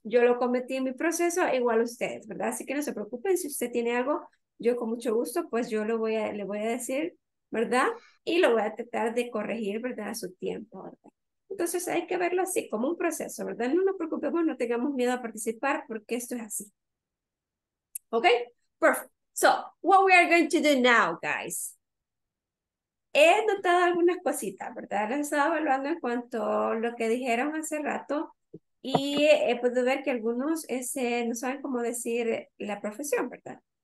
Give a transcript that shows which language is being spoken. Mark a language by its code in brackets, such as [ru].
[es] Yo lo cometí en mi proceso, igual ustedes, ¿verdad? Así que no se preocupen. Si usted tiene algo, yo con mucho gusto, pues yo le voy a decir, ¿verdad? Y lo voy a tratar de corregir, ¿verdad? A su tiempo, ¿verdad? Entonces hay que verlo así, como un proceso, ¿verdad? No nos preocupemos, no tengamos miedo a participar porque esto es así. [en] Okay, perfect. So, what we are going to do now, guys. [es] He notado algunas cositas, ¿verdad? Las estaba evaluando en cuanto a lo que dijeron hace rato y he podido ver que algunos no saben cómo decir la profesión, ¿verdad?